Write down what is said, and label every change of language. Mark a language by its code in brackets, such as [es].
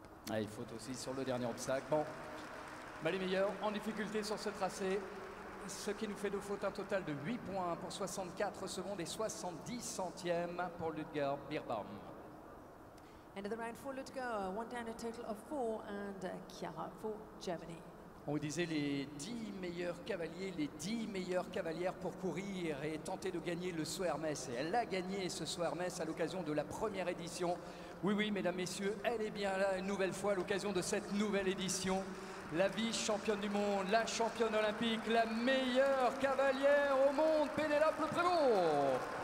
[fr] Ah, il faut aussi sur le dernier obstacle. Bon, bah, les meilleurs en difficulté sur ce tracé. Ce qui nous fait de faute un total de 8 points pour 64 secondes et 70 centièmes pour Ludger Birbaum. [en] End of the round for Ludger, one down a total of 4 and Chiara for Germany. [fr] On vous disait les 10 meilleurs cavaliers, les 10 meilleures cavalières pour courir et tenter de gagner le Swermes. Et elle l'a gagné ce Swermes à l'occasion de la première édition. Oui, oui, mesdames, messieurs, elle est bien là une nouvelle fois à l'occasion de cette nouvelle édition. La vice-championne du monde, la championne olympique, la meilleure cavalière au monde, Pénélope Prévost.